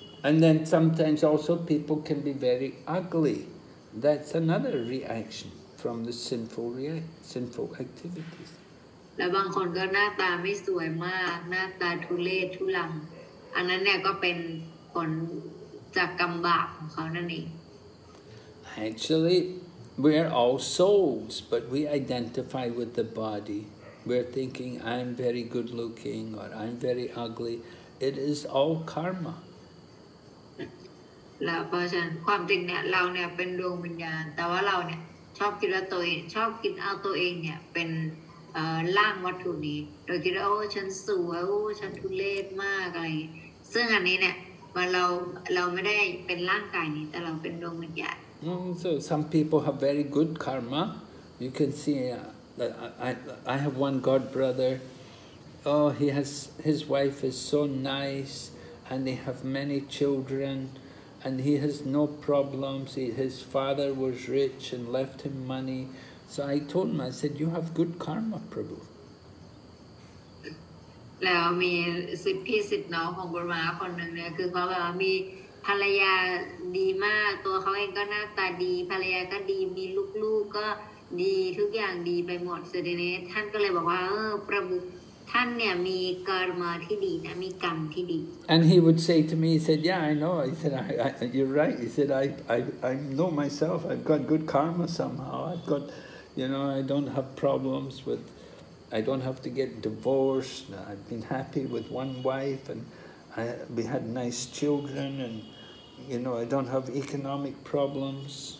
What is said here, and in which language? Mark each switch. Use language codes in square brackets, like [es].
[en] And then sometimes also people can be very ugly that's another reactionfrom the sinful activities. [th] และบางคนก็หน้าตาไม่สวยมากหน้าตาทุเรศทุลังอันนั้นเนี่ยก็เป็นผลจากกรรมบาปของเขานั่นเอง [en] Actually, we are all souls, but we identify with the body. We're thinking, I'm very good looking or I'm very ugly. It is all karma. [th] และเพราะฉะนั้นความจริงเนี่ยเราเนี่ยเป็นดวงวิญญาณแต่ว่าเราเนี่ยชอบคิดว่าตัวเองชอบคิดเอาตัวเองเนี่ยเป็นร่างวัตถุนี้โดยคิดว่าโอ้ฉันสวยโอ้ฉันทุเรศมากอะไรซึ่งอันนี้เนี่ยมันเราไม่ได้เป็นร่างกายนี้แต่เราเป็นดวงวิญญาณ [en] So some people have very good karma you can see that I have one god brother oh he has his wife is so nice and they have many childrenAnd he has no problems. His father was rich and left him money. So I told him, I said, you have good karma, Prabhu. [th] แล้วมีสิทธิ์พี่สิทธิ์น้องของบรมาคนหนึ่งเนี่ยคือเขาแบบว่ามีภรรยาดีมากตัวเขาเองก็หน้าตาดีภรรยาก็ดีมีลูกๆก็ดีทุกอย่างดีไปหมดเสร็จในนี้ท่านก็เลยบอกว่าเออพระบุ ท่านเนี่ยมีกรรมที่ดีนะมีกรรมที่ดี [en] And he would say to me, he said, "Yeah, I know." He said, "You're right." He said, "I know myself. I've got good karma somehow. I've got, you know, I don't have problems with, I don't have to get divorced. I've been happy with one wife, and we had nice children, and you know, I don't have economic problems."